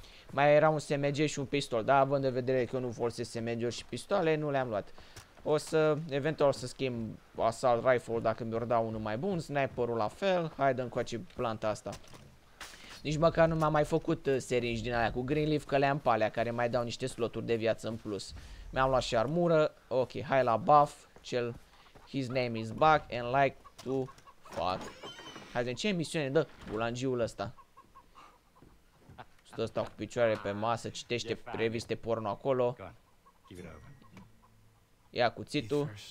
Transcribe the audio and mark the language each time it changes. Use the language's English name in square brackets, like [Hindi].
[Romanian] Mai era un SMG și un pistol, dar având în vedere că eu nu folosesc SMG-uri și pistoale, nu le-am luat. O să, eventual, să schimb assault rifle dacă mi-or dau unul mai bun, sniper-ul la fel. Hai, dă-mi coace planta asta. Nici măcar nu m-am mai făcut seringi din alea cu Greenleaf, că le-am pe alea, care mai dau niște sloturi de viață în plus. Mi-am luat și armură. Ok, hai la buff. [English] Cel, his name is Buck and like to fuck. [Romanian] Hai să vedem ce misiune dă bulangiul ăsta. Stă ăsta cu picioare pe masă, citește reviste porno acolo. Ia cuțitul.